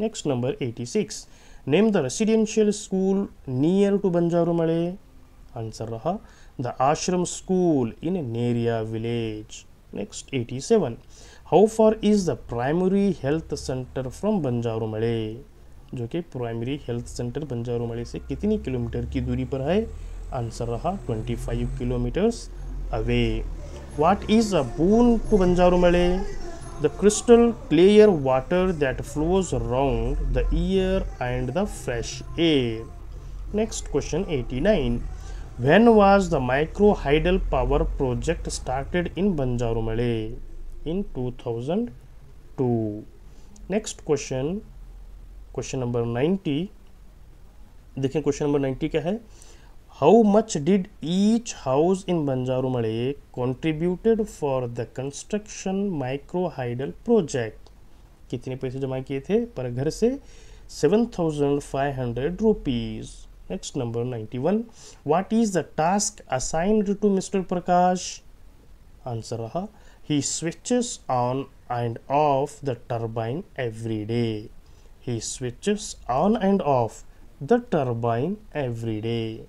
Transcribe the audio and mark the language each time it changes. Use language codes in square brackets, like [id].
[en] Next number 86, name the residential school near to بنجارو مڑے. Answer رہا the ashram school in Neria village. Next 87, how far is the primary health centre from بنجارو مڑے, [ur] جو کہ primary health centre بنجارو مڑے سے کتنی کلو metre کی دوری پر ہے. [en] Answer رہا 25 kilometres away. What is a boon to بنجارو مڑے, the crystal clear water that flows around the year and the fresh air. Next question 89, when was the micro hydel power project started in بنجارو مڑے, in 2002. Next question, question number 90, [ur] دیکھیں question number 90 کیا ہے, [en] how much did each house in بنجارو مڑے contributed for the construction micro hydel project, [ur] کتنے پیسے جمع کیے تھے پر گھر سے. [en] 7500 rupees. Next number 91, what is the task assigned to mister Prakash. Answer رہا, he switches on and off the turbine every day, he switches on and off the turbine every day.